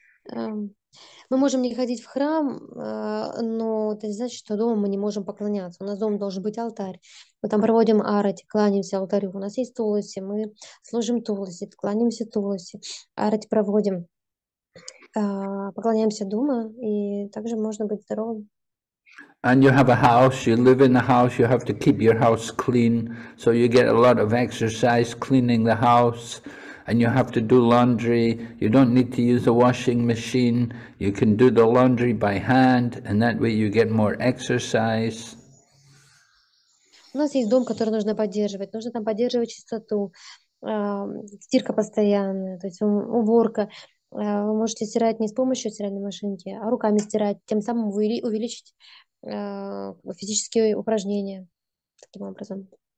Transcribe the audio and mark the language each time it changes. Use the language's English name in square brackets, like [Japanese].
[Russian] Мы можем не ходить в храм, но это не значит, что дома мы не можем поклоняться. У нас дома должен быть алтарь. Мы там проводим арати, кланяемся алтарю. У нас есть туласи, мы служим туласи, кланяемся туласи. Арати проводим. Поклоняемся дома, и также можно быть здоровым. [English] And you have a house, you live in the house, you have to keep your house clean, so you get a lot of exercise cleaning the house, and you have to do laundry. You don't need to use a washing machine. You can do the laundry by hand, and that way you get more exercise. [Russian] У нас есть дом, который нужно поддерживать. Нужно там поддерживать чистоту, стирка постоянная, то есть уборка. Вы можете стирать не с помощью стиральной машинки, а руками стирать, тем самым увеличить физические упражнения таким образом.